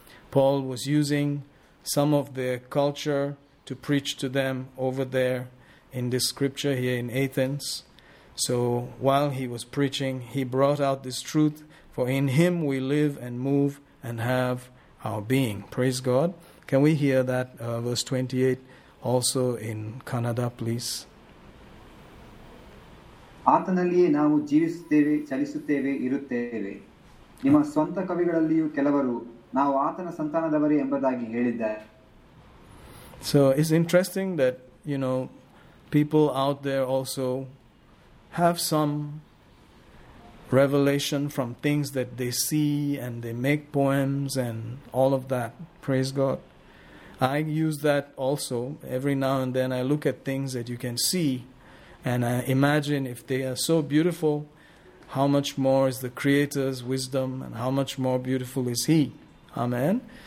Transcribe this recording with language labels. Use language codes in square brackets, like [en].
[en] Paul was using some of their culture to preach to them over there in this scripture here in Athens. So while he was preaching, he brought out this truth. For in him we live and move and have our being. Praise God. Can we hear that verse 28 also in Kannada, please? [kn] ಆತನಲ್ಲಿಯೇ ನಾವು ಜೀವಿಸುತ್ತೇವೆ, ಚಲಿಸುತ್ತೇವೆ, ಇರುತ್ತೇವೆ. ನಿಮ್ಮ ಸ್ವಂತ ಕವಿಗಳಲ್ಲಿಯೂ ಕೆಲವರು ನಾವು ಆತನ ಸಂತಾನದವರೇ ಎಂಬುದಾಗಿ ಹೇಳಿದ್ದಾರೆ. [en] So it's interesting that, you know, people out there also have some revelation from things that they see, and they make poems and all of that. Praise God. I use that also. Every now and then I look at things that you can see, and I imagine if they are so beautiful, how much more is the Creator's wisdom, and how much more beautiful is He. Amen.